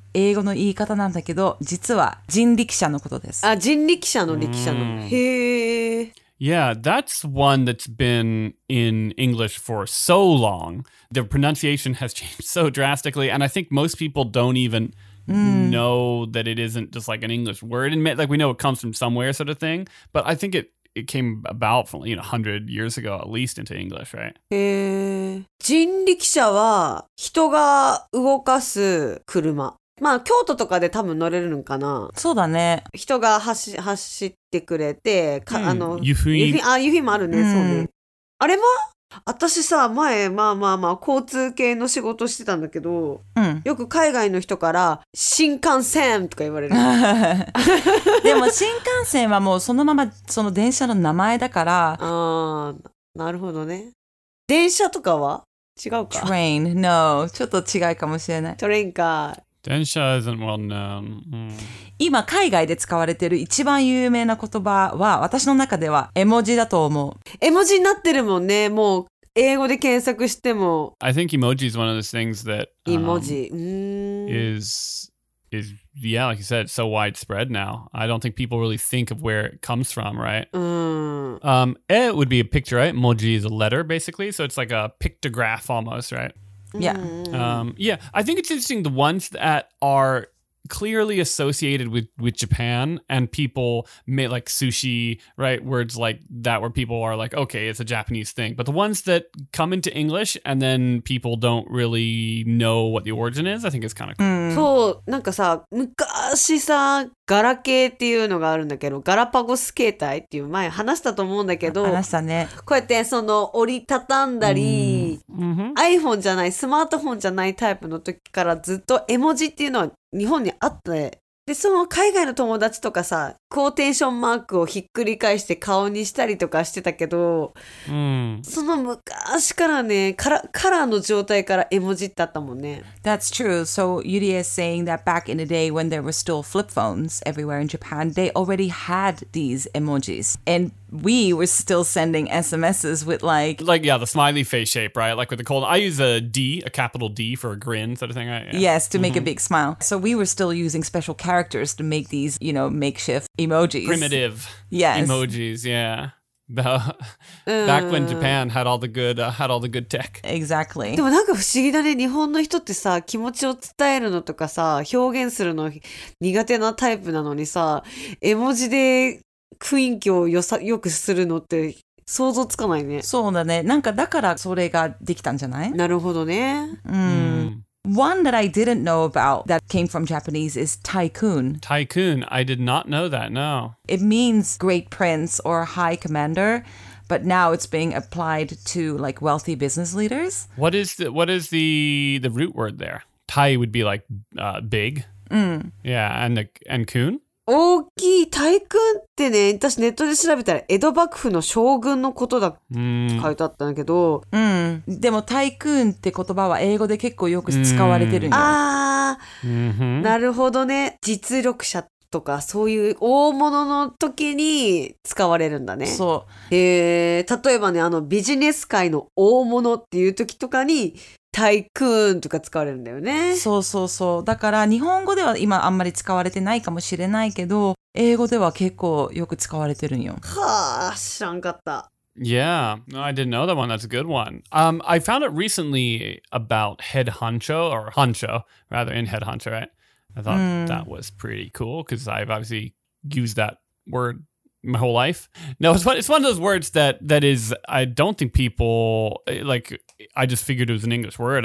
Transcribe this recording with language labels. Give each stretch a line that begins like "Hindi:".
Japanese: 英語の言い方なんだけど、実は人力車のことです。あ、人力車の力車の。へー。
English: Yeah, that's one that's been in English for so long. The pronunciation has changed so drastically, and I think most people don't even know that it isn't just like an English word. And like we know it comes from somewhere sort of thing, but I think it came about from, you know, 100 years ago at least into English, right?
Japanese: 人力車は人が動かす車。まあ京都とかで多分乗れるのかな。そうだね。人が走ってくれて、あの、ユフィもあるね、そうね。あれは?私さ、前、まあまあまあ、交通系の仕事してたんだけど、よく海外の人から、新幹線とか言われる。でも、新幹線はもうそのまま、その電車の名前だから。ああ、なるほどね。電車とかは違うか。
English: Train, no.
Japanese: ちょっと違いかもしれない。 Train か。
English: 電車 isn't well known、
Japanese: 今海外で使われている一番有名な言葉は私の中では絵文字だと思う。絵文字になってるもんね。もう英語で検索しても
English: I think emoji is one of those things that emoji、 is yeah like you said it's so widespread now. I don't think people really think of where it comes from, right? It would be a picture, right? Emoji is a letter basically, so it's like a pictograph almost, right? Yeah. Yeah, I think it's interesting the ones that are clearly associated with Japan and people make like sushi, right? Words like that where people are like, okay, it's a Japanese thing. But the ones that come into English and then people don't really know what the origin is, I think it's kind of cool.
Japanese: そう、なんかさ、昔さ、ガラケーっていうのがあるんだけど、ガラパゴス携帯っていう前話したと思うんだけど、話したね。こうやってその折りたたんだり、iPhone じゃない、スマートフォンじゃないタイプの時からずっと絵文字っていうのは日本にあって、で、その海外の友達とかさ、クォーテーションマークをひっくり返して顔にしたりとかしてたけど、その昔からね、カラーの状態から絵文字ってあったもんね。
English: That's true. So Yuri is saying that back in the day when there were still flip phones everywhere in Japan, they already had these emojis. And we were still sending SMSs with like... Like, yeah, the smiley face shape, right? Like with the cold... I use a D, a capital D for a grin sort of thing, right? Yeah. Yes, to make a big smile. So we were still using special characters to make these, you know, makeshift emojis. Primitive. Yes. Emojis, yeah. Back when Japan had all the good, had all the good tech. Exactly.
Japanese: でもなんか不思議だね。日本の人ってさ、気持ちを伝えるのとかさ、表現するの苦手なタイプなのにさ、絵文字で雰囲気をよくするのって想像つかないね。そうだね。なんかだからそれができたんじゃない？なるほどね。
English: One that I didn't know about that came from Japanese is tycoon. Tycoon. I did not know that, no. It means great prince or high commander, but now it's being applied to like wealthy business leaders. What is the root word there? Tai would be like big. Yeah, and coon?
Japanese: 大きい。タイクーンってね、私ネットで調べたら江戸幕府の将軍のことだって書いてあったんだけど、でもタイクーンって言葉は英語で結構よく使われてるんだ。ああ、なるほどね。実力者とかそういう大物の時に使われるんだね。そう。例えばね、あのビジネス界の大物っていう時とかにタイクーンとか使われるんだよね。そうそうそう。だから日本語では今あんまり使われてないかもしれないけど、英語では結構よく使われてるんよ。はあ、知らんかった。
English: Yeah, I didn't know that one. That's a good one. I found it recently about head honcho or honcho, rather in head honcho, right? I thought that was pretty cool because I've obviously used that word my whole life. No, it's one of those words that is, I don't think people, like, I just figured it was an English word.